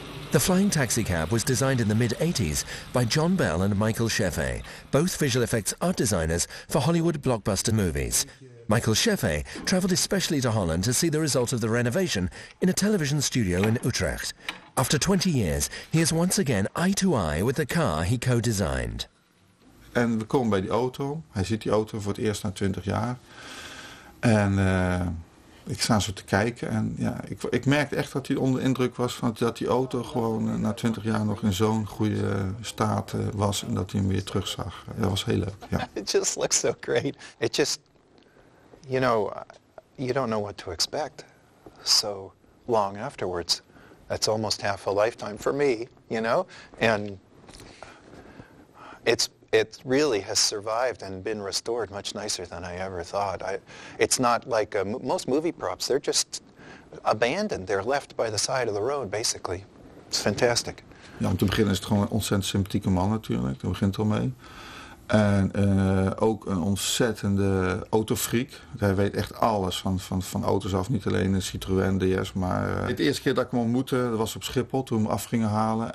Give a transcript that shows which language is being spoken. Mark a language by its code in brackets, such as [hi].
[en] The Flying Taxicab was designed in the mid-80s by John Bell and Michael Sheffé, both visual effects art designers for Hollywood blockbuster movies. Michael Sheffé travelled especially to Holland to see the result of the renovation in a television studio in Utrecht. After 20 years, he is once again eye-to-eye with the car he co-designed. [nl] En we komen bij die auto. Hij ziet die auto voor het eerst na 20 jaar. En ik sta zo te kijken. En ja, ik merkte echt dat hij onder indruk was van dat die auto gewoon na 20 jaar nog in zo'n goede staat was. En dat hij hem weer terugzag. Dat was heel leuk. Ja. [en] It just looks so great. It just, you know, you don't know what to expect. So long afterwards. That's almost half a lifetime for me, you know. And it's... It really has survived and been restored much nicer than I ever thought. It's not like most movie props, they're just abandoned. They're left by the side of the road, basically. It's fantastic. [nl] Ja, om te beginnen is het gewoon een ontzettend sympathieke man natuurlijk. Daar begint het al mee. En ook een ontzettende autofreak. Hij weet echt alles van auto's af. Niet alleen de Citroën, DS, maar... De eerste keer dat ik hem ontmoette, dat was op Schiphol, toen we hem afgingen halen.